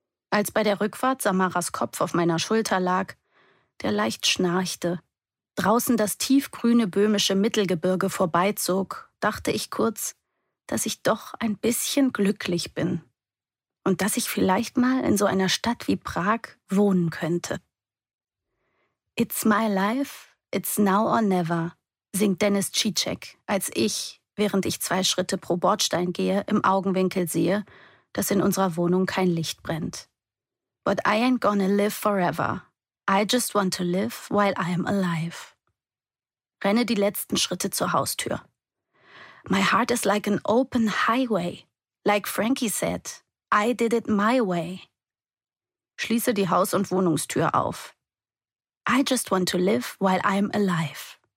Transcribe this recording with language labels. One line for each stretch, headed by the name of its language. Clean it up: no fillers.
German: Als bei der Rückfahrt Samaras Kopf auf meiner Schulter lag, der leicht schnarchte, draußen das tiefgrüne böhmische Mittelgebirge vorbeizog, dachte ich kurz, dass ich doch ein bisschen glücklich bin und dass ich vielleicht mal in so einer Stadt wie Prag wohnen könnte.
English: It's my life, it's now or never,
German: singt Dennis Čiček, als ich, während ich zwei Schritte pro Bordstein gehe, im Augenwinkel sehe, dass in unserer Wohnung kein Licht brennt.
English: But I ain't gonna live forever. I just want to live while I'm alive.
German: Renne die letzten Schritte zur Haustür.
English: My heart is like an open highway. Like Frankie said, I did it my way.
German: Schließe die Haus- und Wohnungstür auf.
English: I just want to live while I'm alive.